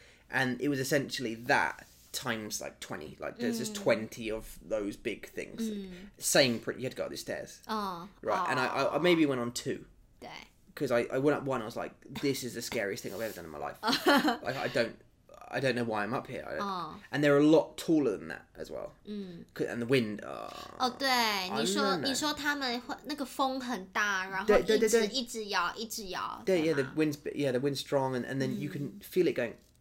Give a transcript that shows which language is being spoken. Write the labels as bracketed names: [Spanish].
[English] And it was essentially that times like 20, like there's just 20 of those big things. Same, you had to go up the stairs. And I maybe went on two. Because I went up one, I was like, this is the scariest thing I've ever done in my life. Like, I don't know why I'm up here. And they're a lot taller than that as well. And the wind. [Chinese] Oh, 对，你说他们会那个风很大，然后一直摇。对, [English] yeah, the wind's strong, and then you can feel it going.